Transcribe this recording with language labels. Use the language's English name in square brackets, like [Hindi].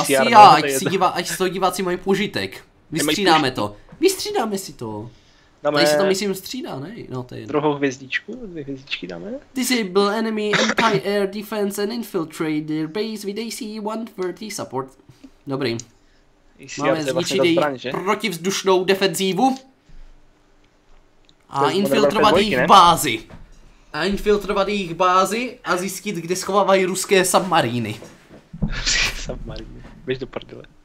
[Czech] asi já, ať si to diváci mají požitek. Vystřídáme to. Vystřídáme si to. Dáme... Tady se to myslím střídá, ne? No, to je druhou hvězdičku, dvě hvězdičky dáme. [English] Disable enemy anti-air defense and infiltrate their base with AC-130 support. [Czech] Dobrý. Máme zničit její protivzdušnou defenzívu. A infiltrovat jejich bázy. A infiltrovat jejich bázy a zjistit, kde schovávají ruské submaríny. Ruské submaríny. Běž do prdele.